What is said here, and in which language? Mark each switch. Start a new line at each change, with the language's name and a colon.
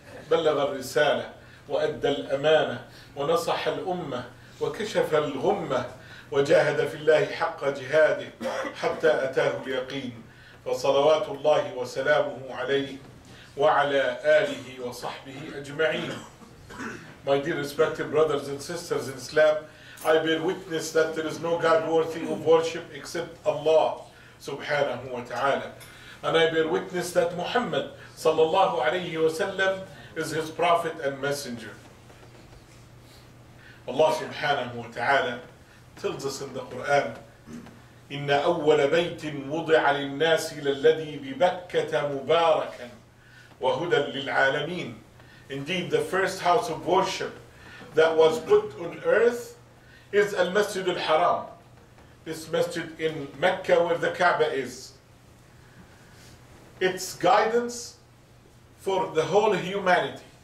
Arabic: بلغ الرسالة وأدى الأمانة ونصح الأمة وكشف الغمة وجاهد في الله حق جهاده حتى أتاه اليقين، فصلوات الله وسلامه عليه وعلى آله وصحبه أجمعين.
English: My dear respected brothers and sisters in Islam, I bear witness that there is no God worthy of worship except Allah subhanahu wa ta'ala. And I bear witness that Muhammad sallallahu alayhi wa sallam is his prophet and messenger. Allah subhanahu wa ta'ala tells us in the Quran,
Arabic: إِنَّ أَوَّلَ بَيْتٍ وُضِعَ لِلنَّاسِ لَلَّذِي بِبَكَّةَ مُبَارَكًا وَهُدًى لِلْعَالَمِينَ.
English: Indeed, the first house of worship that was put on earth is al-Masjid al-Haram, this masjid in Mecca where the Kaaba is. It's guidance for the whole humanity.